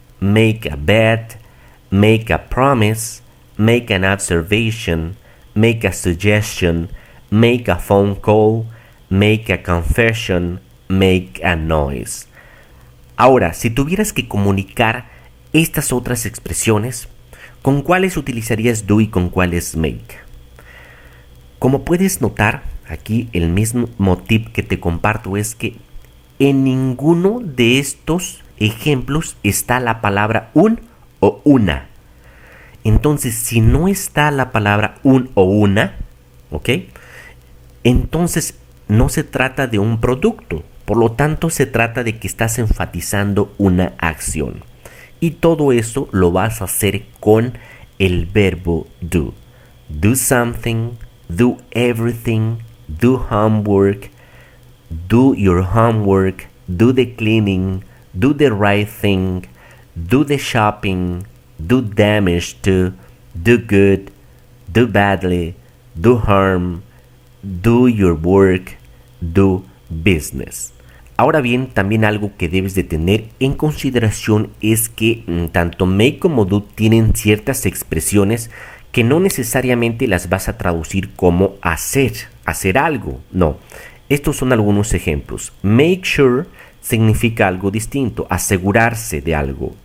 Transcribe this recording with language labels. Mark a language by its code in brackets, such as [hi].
[en] Make a bet, make a promise, make an observation, make a suggestion, make a phone call, make a confession, make a noise. [es] Ahora, si tuvieras que comunicar estas otras expresiones, ¿con cuáles utilizarías do y con cuáles make? Como puedes notar, aquí el mismo tip que te comparto es que en ninguno de estos ejemplos está la palabra un o una. Entonces, si no está la palabra un o una, ¿ok? Entonces, no se trata de un producto. Por lo tanto, se trata de que estás enfatizando una acción. Y todo eso lo vas a hacer con el verbo do. [en] Do something, do everything, do homework, do your homework, do the cleaning, do the right thing, do the shopping, do damage to, do good, do badly, do harm, do your work, do business. [es] Ahora bien, también algo que debes de tener en consideración es que tanto make como do tienen ciertas expresiones que no necesariamente las vas a traducir como hacer algo. No, estos son algunos ejemplos. [en] Make sure [es] significa algo distinto, asegurarse de algo.